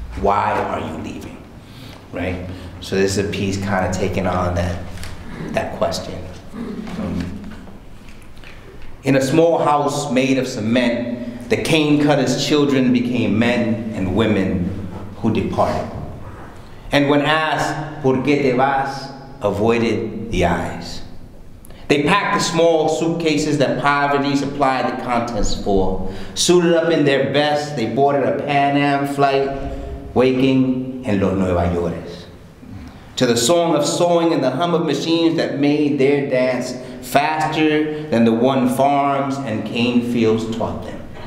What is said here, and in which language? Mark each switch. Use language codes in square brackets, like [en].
[en] Why are you leaving, right? So this is a piece kind of taking on that question. In a small house made of cement, the cane cutter's children became men and women who departed. And when asked, [es] ¿por qué te vas? [en] Avoided the eyes. They packed the small suitcases that poverty supplied the contents for. Suited up in their best, they boarded a Pan Am flight, waking in Los Nueva Yores. To the song of sewing and the hum of machines that made their dance faster than the one farms and cane fields taught them.